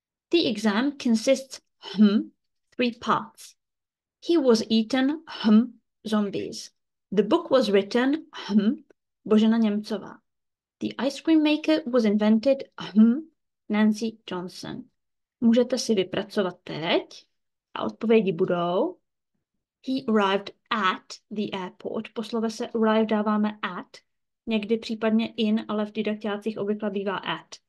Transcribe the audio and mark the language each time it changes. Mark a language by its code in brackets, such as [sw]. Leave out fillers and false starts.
[en] The exam consists three parts. He was eaten zombies. The book was written Božena Němcová. The ice cream maker was invented Nancy Johnson. [cs] Můžete si vypracovat teď a odpovědi budou. [en] He arrived at the airport. [cs] Po slovese arrive dáváme at. Někdy případně in, ale v didaktiácích obvykle bývá at.